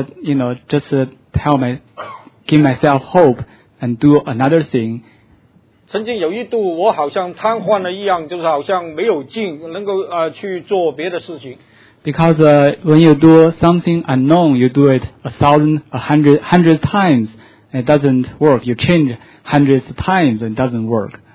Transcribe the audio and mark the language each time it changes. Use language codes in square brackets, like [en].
[en] I cannot give myself hope and do another thing. [zh] 曾经有一度我好像瘫痪了一样，就是好像没有劲能够去做别的事情。 [en] Because when you do something unknown, you do it 1,000, 100 times, and it doesn't work. You change hundreds of times and it doesn't work.